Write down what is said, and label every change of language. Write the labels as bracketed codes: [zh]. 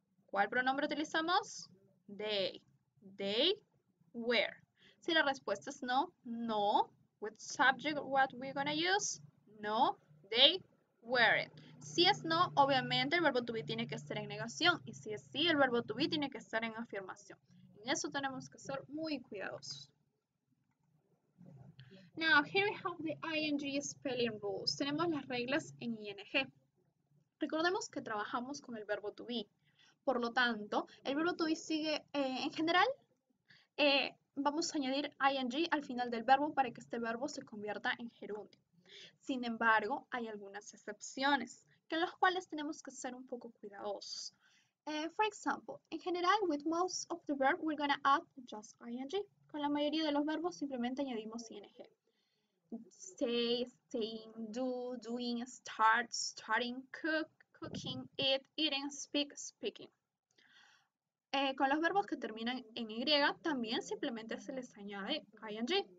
[es] ¿Cuál pronombre utilizamos? [en] They. They were. [es] Si la respuesta es no, no. [en] With subject, what we're gonna use? No, they weren't. [es] Si es no, obviamente el verbo to be tiene que estar en negación. Y si es sí, el verbo to be tiene que estar en afirmación. Eso tenemos que ser muy cuidadosos. [en] Now, here we have the ing spelling rules. [es] Tenemos las reglas en ing. Recordemos que trabajamos con el verbo to be. Por lo tanto, el verbo to be sigue en general. Vamos a añadir ing al final del verbo para que este verbo se convierta en gerundio. Sin embargo, hay algunas excepciones que en las cuales tenemos que ser un poco cuidadosos. [en] For example, in general, with most of the verb, we're going to add just ing. [es] Con la mayoría de los verbos, simplemente añadimos ing. [en] Stay, staying, do, doing, start, starting, cook, cooking, eat, eating, speak, speaking. [es] Con los verbos que terminan en y, también simplemente se les añade ing.